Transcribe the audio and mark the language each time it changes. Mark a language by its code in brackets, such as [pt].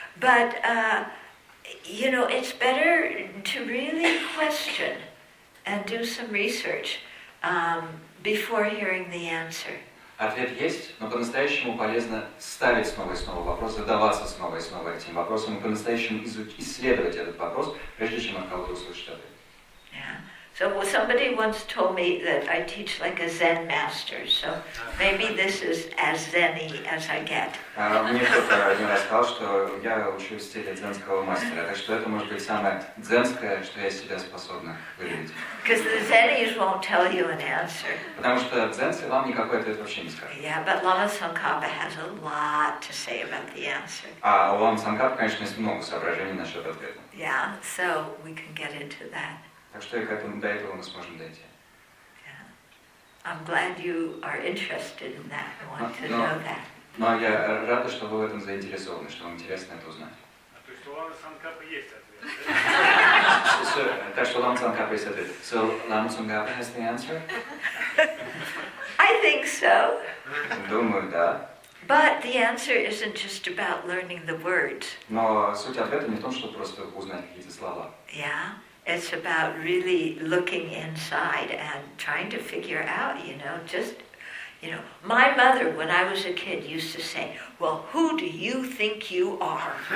[en] But, you know, it's better to really question and do some research before hearing the answer. [ru] Ответ есть, но по-настоящему полезно ставить снова и снова вопрос, задаваться снова и снова этим вопросом, и по-настоящему исследовать этот вопрос, прежде чем от кого-то услышать ответ. [en] So well, somebody once told me that I teach like a Zen master, so maybe this is as Zen-y as I get. [ru] Мне кто-то один раз сказал, что я учусь в стиле дзенского мастера, так что это может быть самое дзенское, что я себя способна выявить. [en] Because the Zen-y's won't tell you an answer. [ru] Потому что дзенцы вам никакой ответ вообще не скажут. [en] Yeah, but Lama Tsongkhapa has a lot to say about the answer. [ru] А у Лама Тсонгхапы, конечно, есть много соображений насчет ответа. [en] Yeah, so we can get into that. [ru] Так что я к этому до этого мы сможем дойти. [en] Yeah. I'm glad you are interested in that. I want to know that. [ru] Но я рада, что вы в этом заинтересованы, что вам интересно это узнать. А то есть у Лама Тсонгхапы есть ответ. Так что Лама Тсонгхапы есть ответ. [en] So Lama Tsongkhapa has the answer? I think so. [ru] Думаю, да. [en] But the answer isn't just about learning the words. [ru] Но суть ответа не в том, чтобы просто узнать какие-то слова. [en] Yeah. It's about really looking inside and trying to figure out, you know, just, you know, my mother, when I was a kid, used to say, well, who do you think you are?